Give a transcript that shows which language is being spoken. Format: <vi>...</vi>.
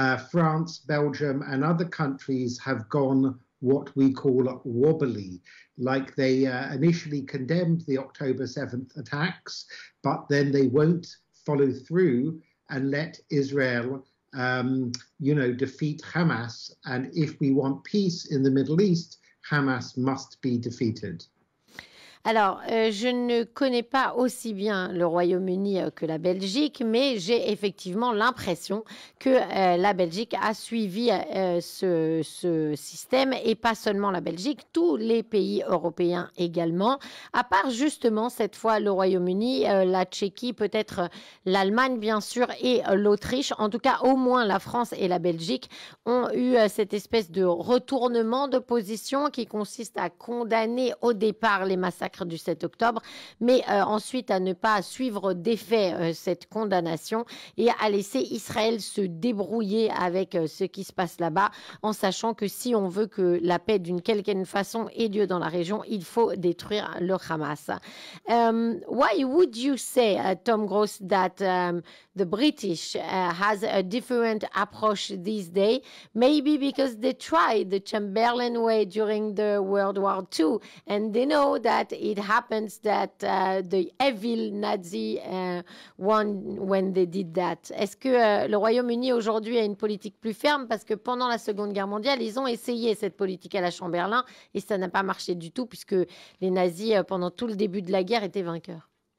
<en>France, Belgium, and other countries have gone what we call wobbly, like they initially condemned the October 7th attacks, but then they won't follow through and let Israel, defeat Hamas. And if we want peace in the Middle East, Hamas must be defeated.</en> <fr>Alors, je ne connais pas aussi bien le Royaume-Uni que la Belgique, mais j'ai effectivement l'impression que la Belgique a suivi ce système, et pas seulement la Belgique, tous les pays européens également, à part justement cette fois le Royaume-Uni, la Tchéquie, peut-être l'Allemagne bien sûr, et l'Autriche. En tout cas, au moins la France et la Belgique ont eu cette espèce de retournement de position qui consiste à condamner au départ les massacres du 7 octobre, mais ensuite à ne pas suivre d'effet cette condamnation et à laisser Israël se débrouiller avec ce qui se passe là-bas, en sachant que si on veut que la paix d'une quelque façon ait lieu dans la région, il faut détruire le Hamas.</fr> <en>Why would you say, Tom Gross, that the British has a different approach these days? Maybe because they tried the Chamberlain way during the World War II and they know that it happens that the evil Nazi won when they did that.</en> <fr>Est-ce que le Royaume-Uni aujourd'hui a une politique plus ferme, parce que pendant la Seconde Guerre mondiale, ils ont essayé cette politique à la Chamberlain et ça n'a pas marché du tout, puisque les nazis, pendant tout le début de la guerre, étaient vainqueurs.</fr>